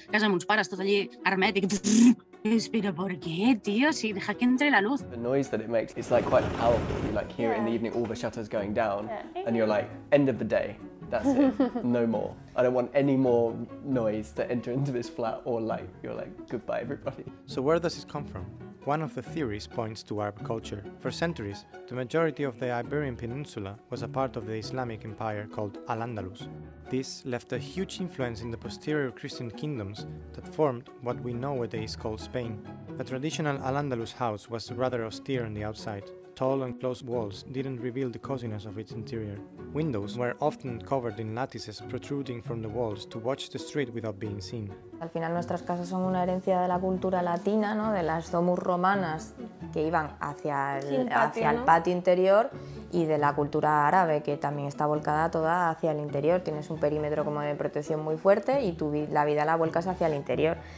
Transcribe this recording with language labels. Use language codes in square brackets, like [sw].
[ca] A casa amb uns pares, tot allí hermètic. [es] Espera, ¿por qué, tío? Si deja que entre la luz. [en] The noise that it makes, it's like quite powerful. You like hear it in the evening, all the shutters going down, and you're like, end of the day. That's it. No more. I don't want any more noise to enter into this flat or light. You're like, goodbye, everybody. So where does this come from? One of the theories points to Arab culture. For centuries, the majority of the Iberian Peninsula was a part of the Islamic Empire called Al-Andalus. This left a huge influence in the posterior Christian kingdoms that formed what we nowadays call Spain. The traditional Al-Andalus house was rather austere on the outside. tall and close walls didn't reveal the coziness of its interior. Windows were often covered in lattices protruding from the walls to watch the street without being seen. [es] Al final nuestras casas son una herencia de la cultura latina, ¿no? De las domus romanas que iban hacia el patio interior y de la cultura árabe que también está volcada toda hacia el interior. Tienes un perímetro como de protección muy fuerte y tu la vida la vuelcas hacia el interior.